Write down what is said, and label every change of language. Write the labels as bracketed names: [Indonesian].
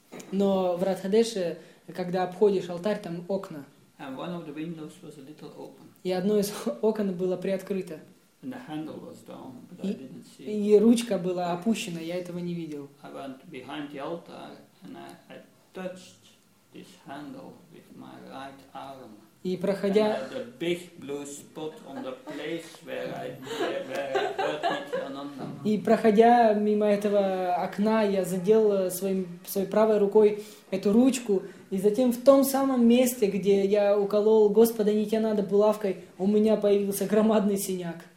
[Russian] Но в Радхадеше, когда обходишь алтарь, там окна. [English] And one of the windows was a little open. [Russian] И одно из окон было приоткрыто. [English] And the handle was down, but I didn't see. [Russian] И ручка была опущена, я этого не видел. [English] I went behind the altar and I touched this handle with my right arm. [Russian] И проходя, [English] and I had a big blue spot on the place where I hurt Nityananda. [Russian] И проходя мимо этого окна, я задел своей правой рукой эту ручку, и затем в том самом месте, где я уколол Господа Нитянанда булавкой, у меня появился громадный синяк.